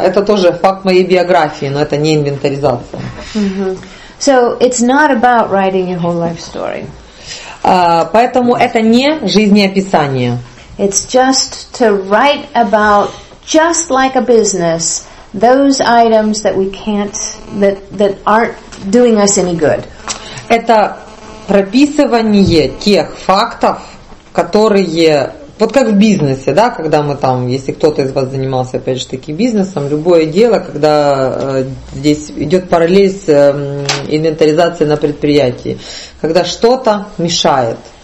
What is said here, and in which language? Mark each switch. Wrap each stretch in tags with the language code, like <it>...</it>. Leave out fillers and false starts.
<ru>Это тоже факт моей биографии, но это не инвентаризация.</ru> <en>So it's not about writing your whole life story.</en> <ru>Поэтому это не жизнеописание.</ru> <en>It's just to write about, just like a business, those items that we can't, that aren't doing us any good.</en> <ru>Это прописывание тех фактов, которые, вот как в бизнесе, да, когда мы там, если кто-то из вас занимался, опять же, таким бизнесом, любое дело, когда здесь идет параллель с инвентаризацией на предприятии, когда что-то мешает.</ru>